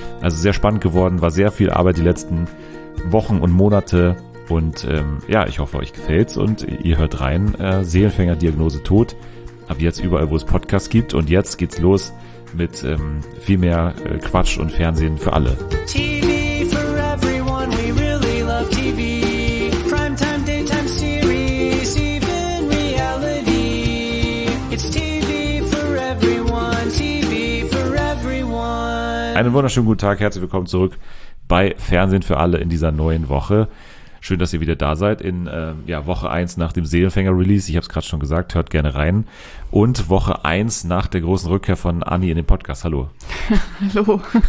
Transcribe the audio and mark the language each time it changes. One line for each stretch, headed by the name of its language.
German: Also sehr spannend geworden, war sehr viel Arbeit die letzten Wochen und Monate. Und ja, ich hoffe, euch gefällt's und ihr hört rein. Seelenfänger, Diagnose Tod. Ab jetzt überall, wo es Podcasts gibt. Und jetzt geht's los mit viel mehr Quatsch und Fernsehen für alle.
English: TV for everyone, we really love TV. Primetime, daytime series, even reality. It's TV for everyone, TV for everyone.
German: Einen wunderschönen guten Tag, herzlich willkommen zurück bei Fernsehen für alle in dieser neuen Woche. Schön, dass ihr wieder da seid in Woche 1 nach dem Seelenfänger-Release. Ich habe es gerade schon gesagt, hört gerne rein. Und Woche 1 nach der großen Rückkehr von Anni in den Podcast. Hallo. Hallo.